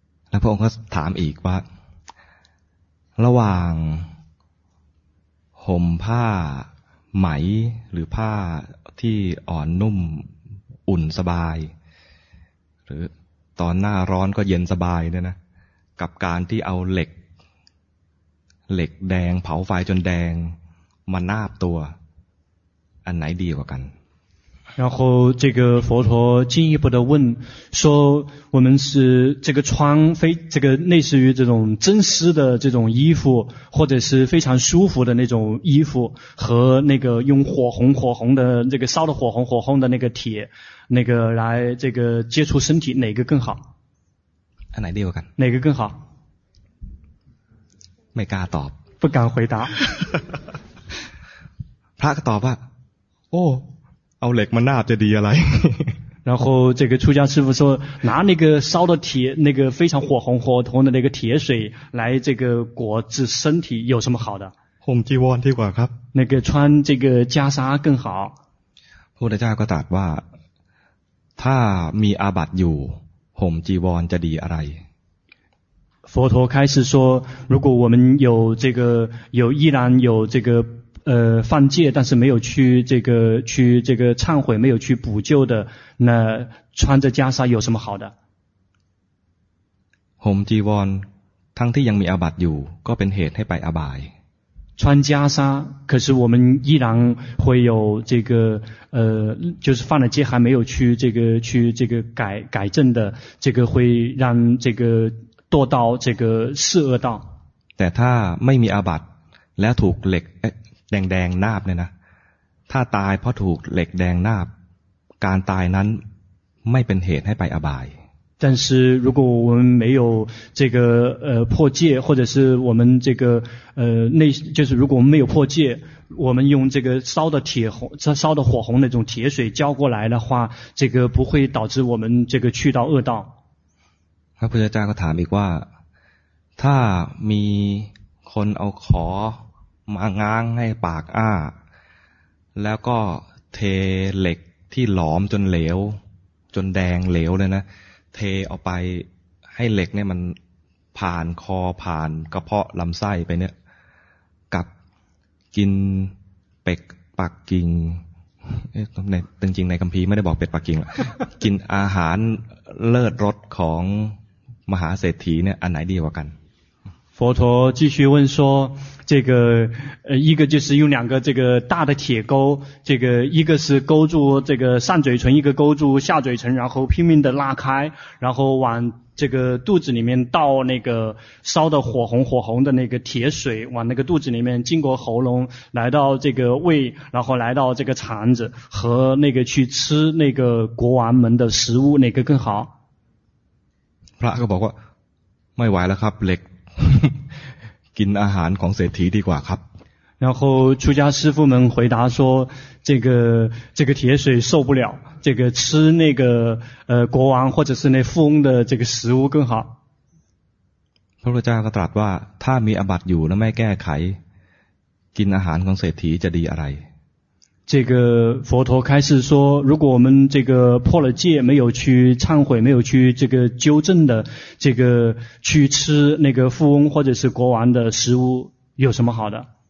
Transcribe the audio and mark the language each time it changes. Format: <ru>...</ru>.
<th>แล้วพระองค์ก็ถามอีกว่าระหว่างห่มผ้าไหมหรือผ้าที่อ่อนนุ่มอุ่นสบายหรือตอนหน้าร้อนก็เย็นสบายเนี่ยนะกับการที่เอาเหล็กแดงเผาไฟจนแดงมานาบตัวอันไหนดีกว่ากัน</th> <zh>然后这个佛陀进一步的问说我们是这个穿非这个类似于这种真丝的这种衣服或者是非常舒服的那种衣服和那个用火红的这个烧的火红的那个铁那个来这个接触身体哪个更好哪个更好哪个更好没敢答不敢回答他答吧哦</zh> <th>เอาเหล็กมานาบจะดีอะไร</th> <zh>然后这个出家师父说拿那个烧的铁那个非常火红的那个铁水来这个裹治身体有什么好的</zh> <th>ห่มจีวรดีกว่าครับ</th> <zh>那个穿这个袈裟更好</zh> <th>พุทธเจ้าก็ตรัสว่าถ้ามีอาบัติอยู่ห่มจีวรจะดีอะไร</th> <zh>佛陀开始说如果我们有这个有依然有这个犯戒但是没有去这个忏悔没有去补救的那穿着袈裟有什么好的</zh> <th>ห่มจีวรทั้งที่ยังมีอาบัติอยู่ก็เป็นเหตุให้ไปอบาย</th> <zh>穿袈裟可是我们依然会有这个就是犯了戒还没有去这个改正的这个会让这个堕到这个四恶道</zh> <th>แต่ถ้าไม่มีอาบัติแล้วถูกเหล็กแดงๆนาบเนี่ยนะถ้าตายเพราะถูกเหล็กแดงนาบการตายนั้นไม่เป็นเหตุให้ไปอบาย</th> <zh>但是如果我们没有这个破戒，或者是我们这个内，就是如果我们没有破戒，我们用这个烧的铁红、烧的火红那种铁水浇过来的话，这个不会导致我们这个去到恶道。</zh> <th>พระพุทธเจ้าก็ถามอีกว่าถ้ามีคนเอาขอมาง้างให้ปากอ้าแล้วก็เทเหล็กที่หลอมจนเหลวจนแดงเหลวเลยนะเทออกไปให้เหล็กเนี่ยมันผ่านคอผ่านกระเพาะลำไส้ไปเนี่ยกับกินเป็ดปักกิ่ง ในจริงๆในคัมภีร์ไม่ได้บอกเป็ดปักกิ่งหรอกกินอาหารเลิศรสของมหาเศรษฐีเนี่ยอันไหนดีกว่ากัน</th> <zh>佛陀继续问说这个一个就是用两个这个大的铁钩，这个一个是勾住这个上嘴唇，一个勾住下嘴唇，然后拼命的拉开，然后往这个肚子里面倒那个烧的火红火红的那个铁水，往那个肚子里面经过喉咙来到这个胃，然后来到这个肠子和那个去吃那个国王们的食物，哪个更好？</zh> <th>พระก็บอกว่าไม่ไหวแล้วครับเหล็กกินอาหารของเศรษฐีดีกว่าครับ</th> <zh>然后出家师父们回答说这个铁水受不了这个吃那个国王或者是那富翁的这个食物更好</zh> <th>พระพุทธเจ้าก็ตรัสว่าถ้ามีอาบัติอยู่แล้วไม่แก้ไขกินอาหารของเศรษฐีจะดีอะไร</th> <zh>这个佛陀开始说如果我们这个破了戒没有去忏悔没有去这个纠正的这个去吃那个富翁或者是国王的食物有什么好的</zh>